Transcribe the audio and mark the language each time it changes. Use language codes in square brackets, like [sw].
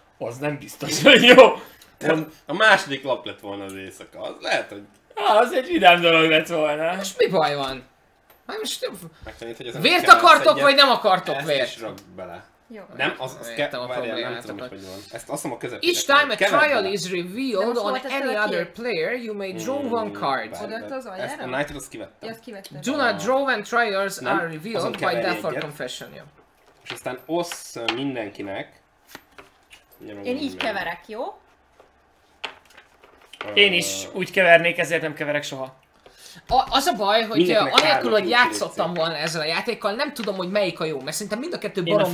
[hu] Az nem biztos, hogy jó! A második lap lett volna az éjszaka, az lehet, hogy... Az egy vidám dolog lett volna. Most mi baj van? Hát most... Megtanít, hogy vért akartok, vagy nem akartok ezt vért? Ezt is rak bele. Jó. Nem, az kell... Várjál, nem tudom, hogy van. Ezt azt mondom a közepén. [en] Each time a trial is revealed on any other player, you may draw one card. [hu] Ezt a Knight-ot azt kivettem. Ja, azt kivettem. [en] Do not draw and trials are revealed by death or confession. [hu] És aztán osz mindenkinek... Én így keverek, jó? Én is úgy kevernék, ezért nem keverek soha. Az a baj, hogy anélkül, hogy játszottam volna ezzel a játékkal, nem tudom, hogy melyik a jó, mert szerintem mind a kettő baromi OP.